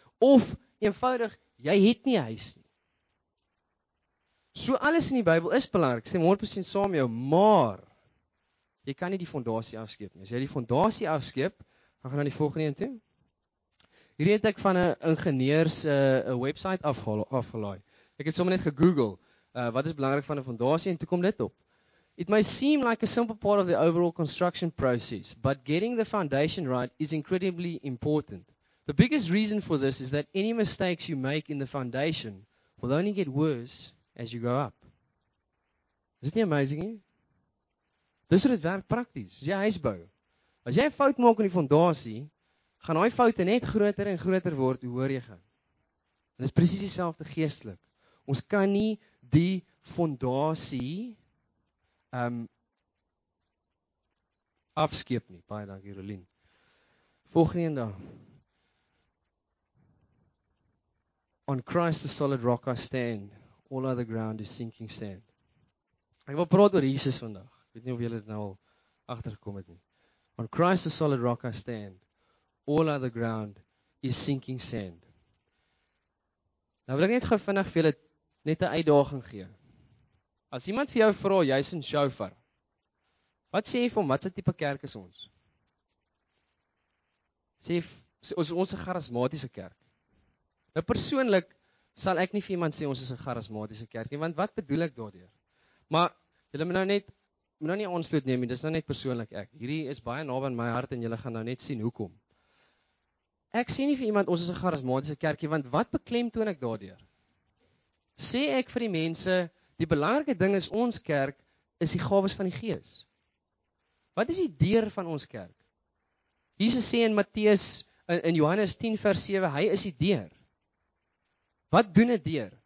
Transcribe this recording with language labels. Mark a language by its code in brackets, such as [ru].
[af] Of, eenvoudig, jy het nie huis nie. So alles in die Bybel is belangrik, stem 100% saam met jou, maar jy kan nie die fondasie afskeep nie. As jy die fondasie afskeep, gaan na die volgende een toe. Hierdie het ek van 'n ingenieurs website afgelaai. Ek het sommer net gegoogel, wat is belangrik van 'n fondasie, en toe kom dit op. [en] It may seem like a simple part of the overall construction process, but getting the foundation right is incredibly important. The biggest reason for this is that any mistakes you make in the foundation will only get worse as you go up. [af] Is dit nie amazing nie? Dis hoe dit werk prakties. As jy huis bou, as jy 'n fout maak in die fondasie, gaan daai foute net groter en groter word hoe hoër jy gaan. En dis presies dieselfde geestelik. Ons kan nie die fondasie afskeep nie. Baie dankie, Rolien. Volgende een daar. [en] On Christ the solid rock I stand. All other ground is sinking sand. [af] Ek wil praat oor Jesus vandag. Ek weet nie of julle dit nou al agtergekom het nie. [en] On Christ the solid rock I stand. All other ground is sinking sand. [af] Nou wil ek net gou vinnig vir julle net 'n uitdaging gee. As iemand vir jou vra, jy's in Shofar. Wat sê jy vir hom? Wat se tipe kerk is ons? Sê ons 'n charismatiese kerk. Nou persoonlik sal ek nie vir iemand sê ons is 'n charismatiese kerk nie, want wat bedoel ek daardeur? Maar julle moet nou nie aanstoot neem nie, dis nou net persoonlik ek. Hierdie is baie naby aan my hart en julle gaan nou net sien hoekom. Ek sê nie vir iemand ons is 'n charismatiese kerk nie, want wat beklemtoon ek daardeur? Sê ek vir die mense, die belangrike ding is ons kerk is die gawes van die Gees. Wat is die deur van ons kerk? Jesus sê in Matteus in Johannes 10 vers 7, hy is die deur. Wat doen 'n deur?